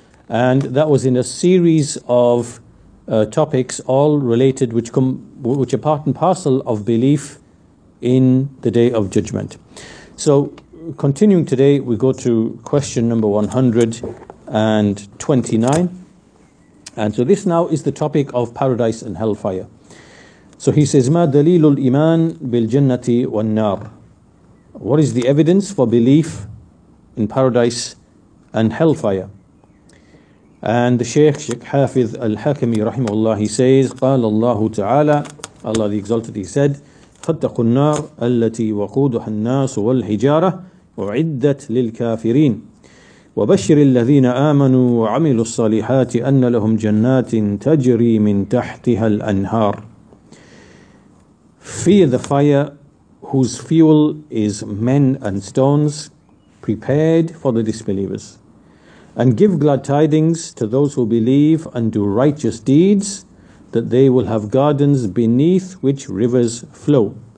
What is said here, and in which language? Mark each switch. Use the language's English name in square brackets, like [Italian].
[English] And that was in a series of topics all related, which are part and parcel of belief in the Day of Judgment. So continuing today, we go to question number 129. And so this now is the topic of paradise and hellfire. So he says, [Arabic] مَا دَلِيلُ الْإِيمَانِ بِالْجَنَّةِ وَالنَّارِ. [English] What is the evidence for belief in paradise and hellfire? And the Sheikh Hafiz Al-Hakimi rahimahullah, he says, قال الله تعالى, Allah the Exalted, he said, [Arabic] فَاتَّقُوا النَّارَ الَّتِي وَقُودُهَا النَّاسُ وَالْحِجَارَةُ أُعِدَّتْ لِلْكَافِرِينَ وَبَشِّرِ الَّذِينَ آمَنُوا وَعَمِلُوا الصَّالِحَاتِ أَنَّ لَهُمْ جَنَّاتٍ تَجْرِي مِنْ تَحْتِهَا الْأَنْهَارِ. [English] Fear the fire whose fuel is men and stones prepared for the disbelievers. And give glad tidings to those who believe and do righteous deeds, that they will have gardens beneath which rivers flow.